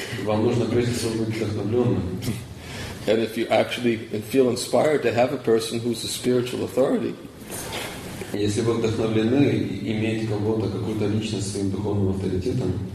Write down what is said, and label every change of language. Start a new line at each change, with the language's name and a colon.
Russian: Вам нужно прежде всего быть вдохновленным.
English: And if you actually feel inspired to have a person who's a spiritual authority.
Russian: Если вы вдохновлены иметь кого-то, какую-то личность своим духовным авторитетом,